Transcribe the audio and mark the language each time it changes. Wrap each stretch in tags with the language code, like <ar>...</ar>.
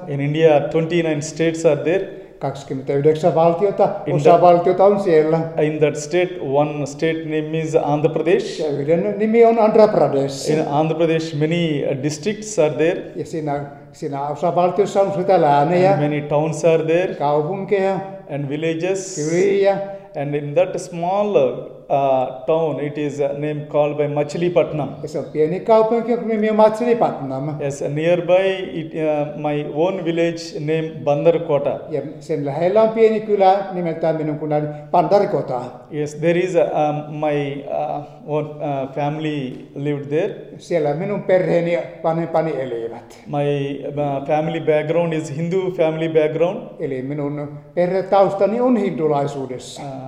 <en>In India 29 states are there.</en> <fi>29 valtiota. Osavaltiota on siellä.</fi> <en>In that state, one state name is Andhra Pradesh.</en> <fi>Ja yhden nimi on Andhra Pradesh.</fi> <en>In Andhra Pradesh, many districts are there.</en> <fi>Ja siinä osavaltiossa on sitä lääniä.</fi> <en>And many towns are there.</en> <fi>Kaupunkeja.</fi> <en>And villages.</en> <fi>Kyliä.</fi> <en>And in that small town, it is named called by Machilipatnam.</en> <fi>Yes, a pieni kaupunki, joka nimi on Machilipatnam.</fi> <en>Yes, nearby it, my own village named Bandarkota.</en> <fi>Ja sen lähellä on pieni kylä nimeltään minun kunnan Bandarkota.</fi> <en>Yes, there is my own family lived there.</en> <fi>Siellä minun perheeni vanhempani elivät.</fi> <en>My family background is Hindu family background.</en> <fi>Eli minun perhetaustani on hindulaisuudessa.</fi>